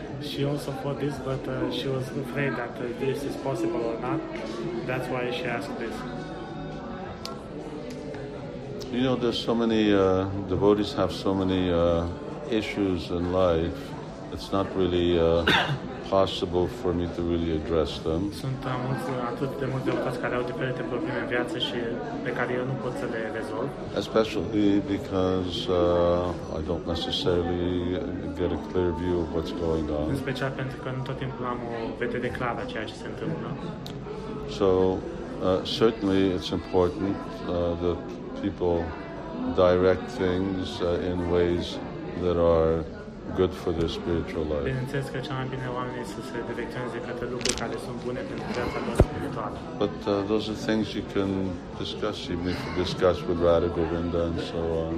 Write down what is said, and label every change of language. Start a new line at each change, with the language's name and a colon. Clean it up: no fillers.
English: She also thought this, but she was afraid that this is possible or not. That's why she asked this. You know, there's so many devotees have so many issues in life. It's not really possible for me to really address them.
Romanian: Sunt atât de multe devotees care au diferite probleme în viață și pe care eu nu pot să le rezolv.
English: Especially because I don't necessarily get a clear view of what's going on.
Romanian: În special pentru că nu tot timpul am o vedere clară a ceea ce se întâmplă.
English: So, certainly it's important that people direct things in ways that are good for their spiritual life.
Romanian: Bineînțeles că cea mai bine oamenii să se direcționeze către lucruri care sunt bune pentru viața lor spirituală.
English: But those are things you can discuss, even if you discuss with Radha Govinda and so on.